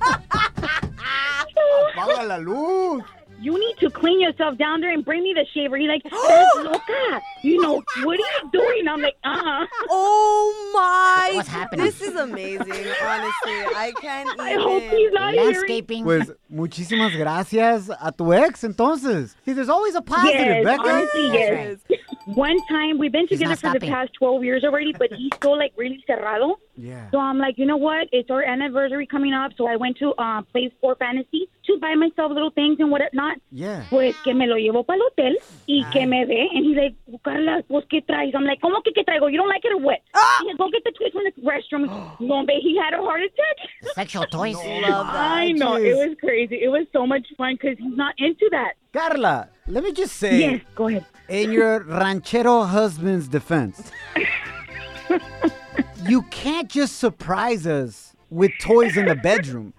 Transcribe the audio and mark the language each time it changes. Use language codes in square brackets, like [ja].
[es] Apaga la luz. [en] You need to clean yourself down there and bring me the shaver. He's like, that's loca. You know, what are you doing? I'm like, Oh, my. What's happening? This is amazing, honestly. I can't even. I hope he's not landscaping. Hearing. [es] Pues, muchísimas gracias a tu ex, entonces. [en] See, there's always a positive, yes, Becca. Honestly, yes. One time, we've been together for the past 12 years already, but he's still, like, really cerrado. Yeah. So I'm like, you know what? It's our anniversary coming up, so I went to Play 4 Fantasy to buy myself little things and whatnot. Yeah. [es] Pues que me lo llevo para el hotel y que me ve. [en] And he's like, Carla, [es] ¿vos qué traes? [en] I'm like, [es] ¿cómo que qué traigo? [en] You don't like it or what? Ah! He said, go get the toys from the restroom. No, babe, he had a heart attack. Sexual toys. I know. Jeez. It was crazy. It was so much fun because he's not into that. Carla, let me just say. Yes, go ahead. In your ranchero husband's defense, you can't just surprise us with toys in the bedroom.